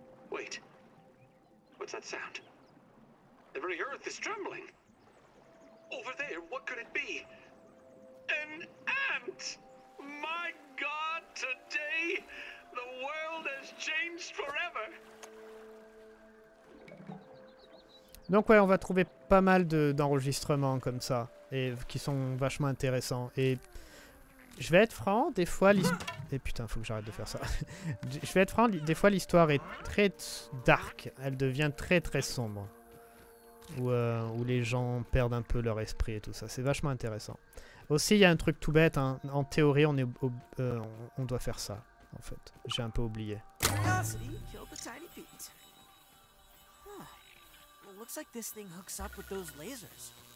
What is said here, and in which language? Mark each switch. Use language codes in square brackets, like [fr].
[en] Wait, what's that sound? The very earth is trembling. Over there, what could it be? An ant! My God, today the world has changed forever. [fr] Donc ouais, on va trouver pas mal d'enregistrements comme ça, et qui sont vachement intéressants. Et je vais être franc, des fois l'histoire... Et putain, faut que j'arrête de faire ça. Je vais être franc, des fois l'histoire est très dark, elle devient très très sombre. Où les gens perdent un peu leur esprit et tout ça, c'est vachement intéressant. Aussi, il y a un truc tout bête, hein. En théorie, on doit faire ça, en fait. J'ai un peu oublié. Ah, [en] heartbeat. Huh. Well, looks like this thing hooks up with those lasers.